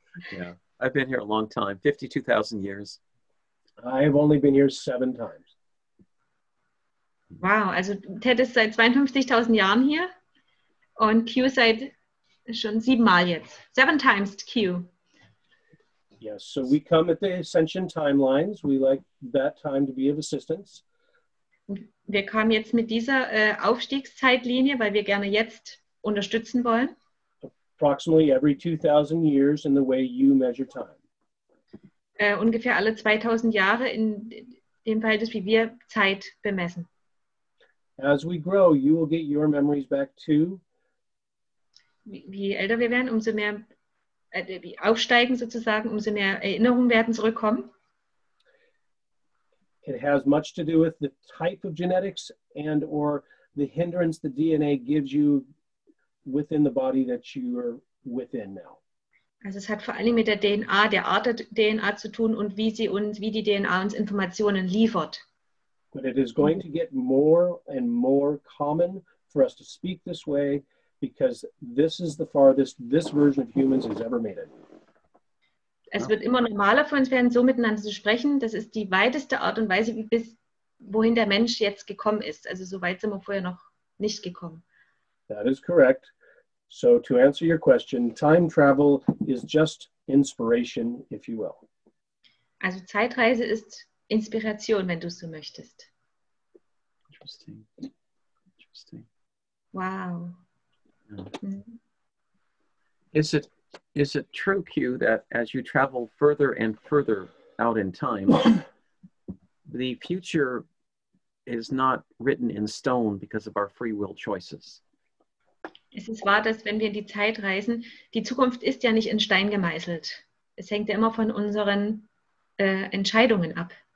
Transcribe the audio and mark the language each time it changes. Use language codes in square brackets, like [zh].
[en] Yeah, I've been here a long time, 52,000 years. I've only been here 7 times. [de] Wow, also Ted ist seit 52,000 Jahren hier und Q seit schon 7 Mal jetzt. [en] 7 times Q. Yes, so we come at the ascension timelines. We like that time to be of assistance. [de] Wir kommen jetzt mit dieser Aufstiegszeitlinie, weil wir gerne jetzt unterstützen wollen. [en] Approximately every 2,000 years in the way you measure time. [de] Ungefähr alle 2,000 Jahre in dem Verhältnis, wie wir Zeit bemessen. [en] As we grow, you will get your memories back too. [de] Je älter wir werden, umso mehr aufsteigen sozusagen, umso mehr Erinnerungen werden zurückkommen. [en] It has much to do with the type of genetics and or the hindrance the DNA gives you within the body that you are within now. [de] Also es hat vor allem mit der DNA, der Art der DNA zu tun und wie sie uns, wie die DNA uns Informationen liefert. [en] But it is going to get more and more common for us to speak this way. Because this is the farthest this version of humans has ever made it. [de] Es wird immer normaler für uns werden, so miteinander zu sprechen. Das ist die weiteste Art und Weise, wie bis wohin der Mensch jetzt gekommen ist. Also so weit sind wir vorher noch nicht gekommen. [en] That is correct. So to answer your question, time travel is just inspiration, if you will. [de] Also Zeitreise ist Inspiration, wenn du es so möchtest. [en] Interesting. Wow. Is it true, Q, that as you travel further and further out in time, the future is not written in stone because of our free will choices? [de] Es ist wahr, dass wenn wir in die Zeit reisen, die Zukunft ist ja nicht in Stein gemeißelt. Es hängt ja immer von unseren Entscheidungen ab.